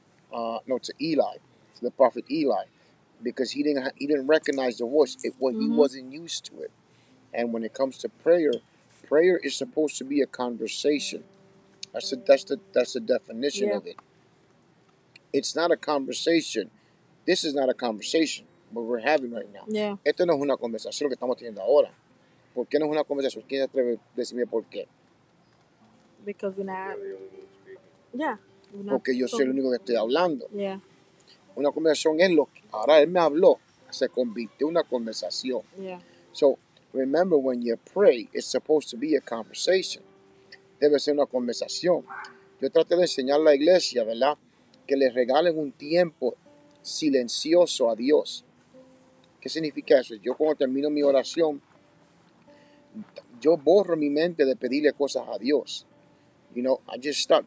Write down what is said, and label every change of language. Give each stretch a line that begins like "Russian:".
English: To Eli, to the prophet Eli, because he didn't recognize the voice. He wasn't used to it. And when it comes to prayer, prayer is supposed to be a conversation. That's the definition of it. It's not a conversation. This is not a conversation, what we're having right now. Yeah.
Spanish: Esto no es una conversación, lo que estamos teniendo ahora. ¿Por qué no es una conversación? ¿Quién se atreve a decirme por qué?
English: Because we're not... Yeah.
Spanish: Porque yo soy el único que estoy hablando.
English: Yeah.
Spanish: Una conversación es lo que... Ahora él me habló. Se convirtió en una conversación.
English: Yeah. So, remember, when you pray, it's supposed to be a conversation.
Spanish: Debe ser una conversación. Yo traté de enseñar a la iglesia, ¿verdad?, que le regalen un tiempo silencioso a Dios. ¿Qué significa eso? Yo cuando termino mi oración, yo borro mi mente de pedirle cosas a Dios.
English: You know, I just stop.